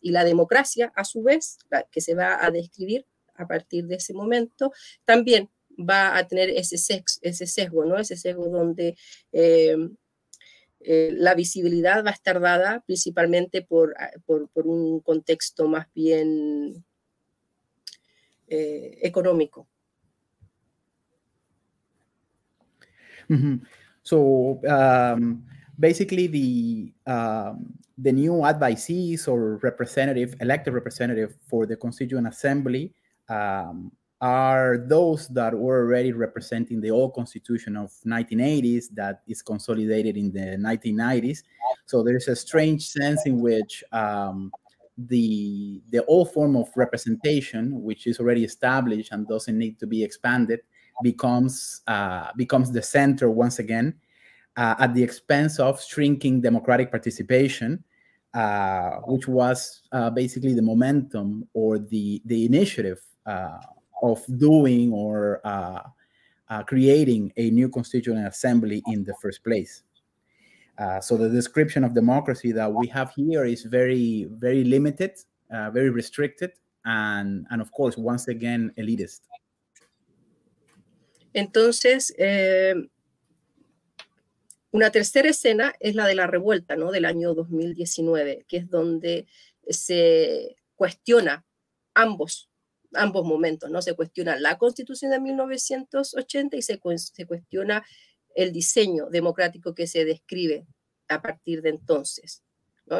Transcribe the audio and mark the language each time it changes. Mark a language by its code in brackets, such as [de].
[es] Y la democracia, a su vez, que se va a describir a partir de ese momento, también va a tener ese sesgo, ¿no? Ese sesgo donde la visibilidad va a estar dada principalmente por un contexto más bien económico. Mm-hmm. [en] So basically the new advisees or representative, elected representative for the Constituent Assembly are those that were already representing the old constitution of 1980s that is consolidated in the 1990s. So there's a strange sense in which the old form of representation, which is already established and doesn't need to be expanded, becomes the center once again at the expense of shrinking democratic participation, which was basically the momentum or the initiative of doing or creating a new constituent assembly in the first place. So the description of democracy that we have here is very, very limited, very restricted, and of course, once again, elitist. [es] Entonces, una tercera escena es la de la revuelta, ¿no? Del año 2019, que es donde se cuestiona ambos momentos, ¿no? Se cuestiona la Constitución de 1980 y se cuestiona el diseño democrático que se describe a partir de entonces, ¿no?